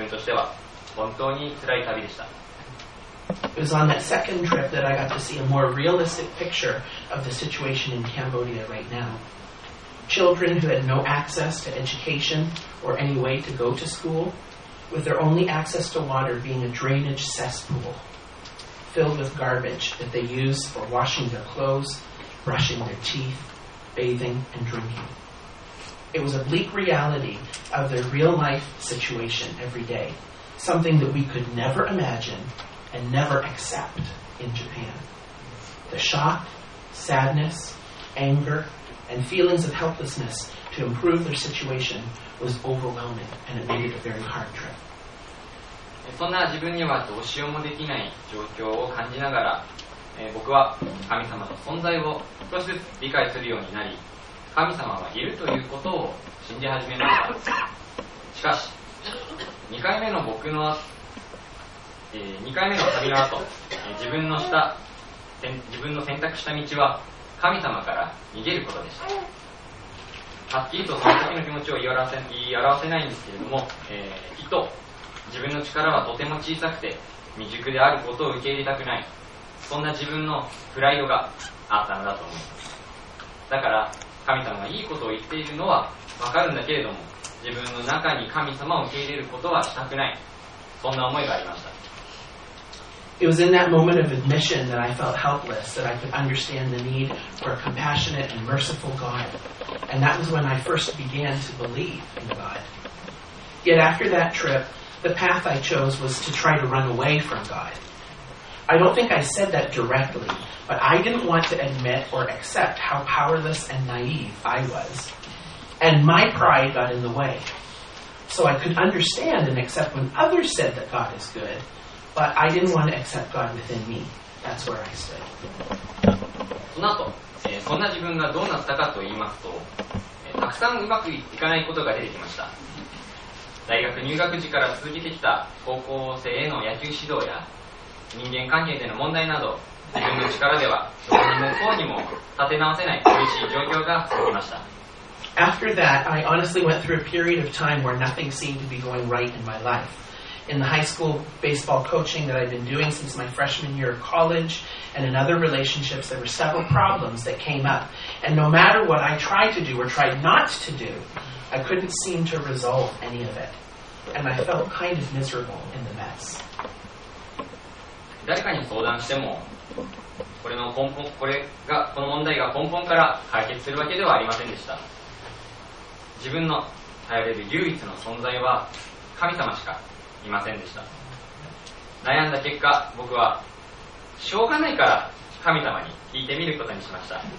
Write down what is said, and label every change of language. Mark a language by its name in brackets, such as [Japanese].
[Japanese] 学校に行かず出稼ぎに行く子供たち生活排水を池に垂れ流しそれをそのまま皿洗いの水として使う生活日本ではありえない状況がそこに広がっていました2回目の旅はあまりのショックと悲しみそして何もできない悔しさがあり自分としては本当に辛い旅でした [English] It was on that second trip that I got to see a more realistic picture of the situation in Cambodia right now. Children who had no access to education or any way to go to school, with their only access to water being a drainage cesspool filled with garbage that they use for washing their clothes, brushing their teeth, bathing, and drinking. It was a bleak reality of their real-life situation every day, something that we could never imagine and never accept in Japan. The shock, sadness, anger, and feelings of helplessness to improve their situation was overwhelming, and it made it a very hard trip. [Japanese] そんな自分にはどうしようもできない状況を感じながら、僕は神様の存在を少しずつ理解するようになり、神様はいるということを信じ始めました。しかし、2回目の旅の後、自分の選択した道は神様から逃げることでした。はっきりとその時の気持ちを言い表せないんですけれども、きっと自分の力はとても小さくて未熟であることを受け入れたくない、そんな自分のプライドがあったのだと思います。だから神様がいいことを言っているのはわかるんだけれども、自分の中に神様を受け入れることはしたくない、そんな思いがありました。 [English] It was in that moment of admission that I felt helpless, that I could understand the need for a compassionate and merciful God. And that was when I first began to believe in God. Yet after that trip, the path I chose was to try to run away from God. I don't think I said that directly, but I didn't want to admit or accept how powerless and naive I was. And my pride got in the way. So I could understand and accept when others said that God is good, But I didn't want to accept God within me. That's where I stood. [Japanese] その後、そんな自分がどうなったかと言いますと、たくさんうまくいかないことが出てきました。大学入学時から続けてきた高校生への野球指導や人間関係での問題など、自分の力ではどこにもこうにも立て直せない厳しい状況が続きました。 [English] After that, I honestly went through a period of time where nothing seemed to be going right in my life. In the high school baseball coaching that I'd been doing since my freshman year of college, and in other relationships, there were several problems that came up. And no matter what I tried to do or tried not to do, I couldn't seem to resolve any of it. And I felt kind of miserable in the mess. [Japanese] 誰かに相談しても、この問題が根本から解決するわけではありませんでした。自分の頼れる唯一の存在は神様しかいませんでした。悩んだ結果、僕はしょうがないから神様に聞いてみることにしました。